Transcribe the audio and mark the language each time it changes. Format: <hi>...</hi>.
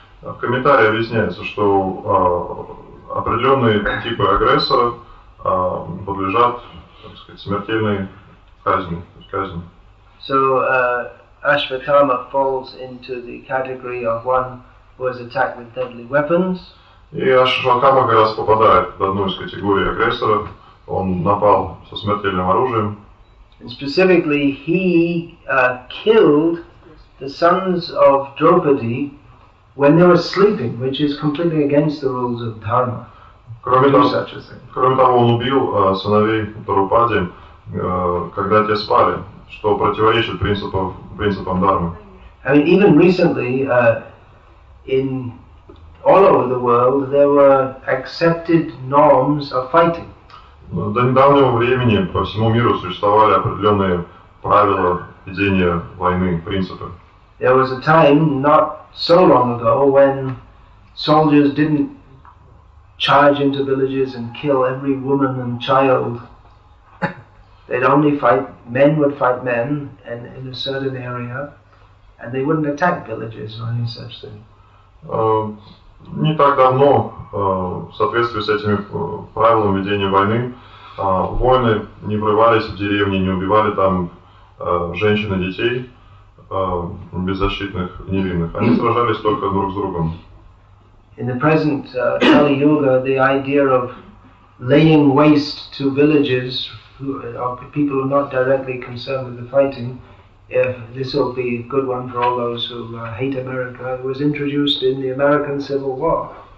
<ru>В комментарии объясняется, что определенные типы агрессора подлежат, так сказать, смертельной казни.</ru> <en>So Ashwatthama falls into the category of one who is attacked with deadly weapons.</en> <ru>И Ашватхама как раз попадает в одну из категорий агрессора. Он напал со смертельным оружием.</ru> <en>And specifically, he killed the sons of Draupadi when they were sleeping, which is completely against the rules of Dharma.</en> <ru>Кроме того, он убил сыновей Драупади, когда те спали, что противоречит принципам Дармы.</ru> <en>I mean, even recently, in all over the world, there were accepted norms of fighting.</en> <ru>До недавнего времени по всему миру существовали определенные правила ведения войны, принципы.</ru> <en>There was a time not so long ago when soldiers didn't charge into villages and kill every woman and child. They'd only fight, men would fight men in a certain area, and they wouldn't attack villages or any such thing.</en> <ru>Не так давно, в соответствии с этими правилами ведения войны, воины не врывались в деревни, не убивали там женщин и детей, беззащитных, невинных. Они сражались только друг с другом.</ru> <en>In the present Kali Yuga, the idea of laying waste to villages of people who are not directly concerned with the fighting, if this will be a good one for all those who hate America, it was introduced in the American Civil War.</en>